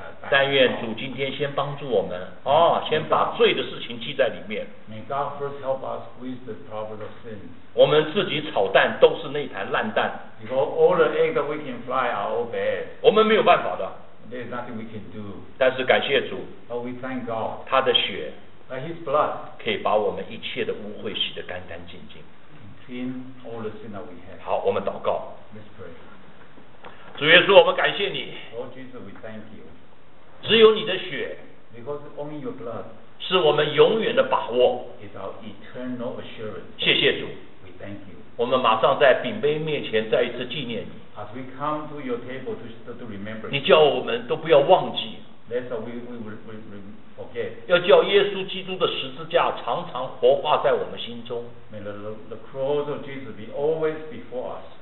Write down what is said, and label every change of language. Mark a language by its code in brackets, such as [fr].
[zh] 但愿主今天先帮助我们，哦，先把罪的事情记在里面。 [en] May God first help us with the problem of sin. [zh] 我们自己炒蛋都是那盘烂蛋。 [en] Because all the eggs that we can fly are all bad. [zh] 我们没有办法的。 [en] There's nothing we can do. [zh] 但是感谢主。 [en] But we thank God. [zh] 他的血。 [en] By His blood, [zh] 可以把我们一切的污秽洗得干干净净。 [en] Clean all the sin that we have. [zh] 好，我们祷告。 [en] Let's pray. [zh] 主耶稣，我们感谢你。 [en] Lord Jesus, we thank you. [zh] 只有你的血 [en] ，because only your blood, [zh] 是我们永远的把握。 [en] Is our eternal assurance. [zh] 谢谢主。 [en] We thank you. [zh] 我们马上在饼杯面前再一次纪念你。 [en] As we come to your table to remember, [zh] 你叫我们都不要忘记。 [en] That's what we forget. [zh] 要叫耶稣基督的十字架常常活化在我们心中。 [en] May the cross of Jesus be always before us.